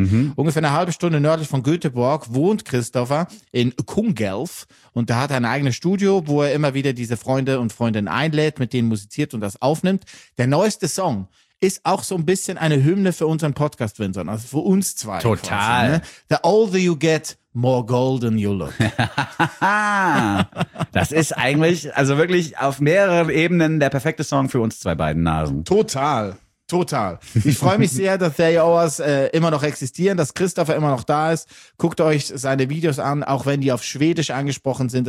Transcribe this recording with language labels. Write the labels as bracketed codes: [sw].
[de] Mhm. Ungefähr eine halbe Stunde nördlich von Göteborg wohnt Christopher in Kungälv. Und da hat er ein eigenes Studio, wo er immer wieder diese Freunde und Freundinnen einlädt, mit denen musiziert und das aufnimmt. Der neueste Song ist auch so ein bisschen eine Hymne für unseren Podcast, Winson, also für uns zwei. Total. Quasi, ne? [en] The older you get, more golden you look. [de] Das ist eigentlich, also wirklich auf mehreren Ebenen der perfekte Song für uns zwei beiden Nasen. Total, total. Ich freue mich sehr, dass The Owers immer noch existieren, dass Christopher immer noch da ist. Guckt euch seine Videos an, auch wenn die auf Schwedisch angesprochen sind.